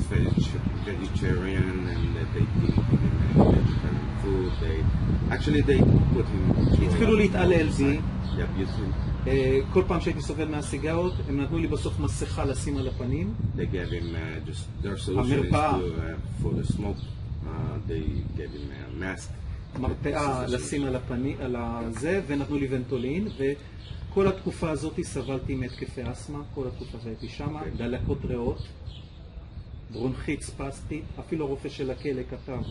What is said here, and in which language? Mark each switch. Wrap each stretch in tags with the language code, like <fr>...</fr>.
<en>He's vegetarian and they didn't give him vegetarian food, actually they put him...</en> <he>התחילו להתעלל בי, כל פעם שהייתי סובל מהסיגרות, הם נתנו לי בסוף מסכה לשים על הפנים.</he> <en>They gave him just their solutions for the smoke. They gave him a mask.</en> <he>מרפאה לשים על הפנים, על הזה, ונתנו לי ונטולין, וכל התקופה הזאת סבלתי מהתקפי אסמה, כל התקופה הזאת הייתי שמה, דלקות ריאות, ברונכית ספסטי, אפילו רופא של הכלא כתב.</he>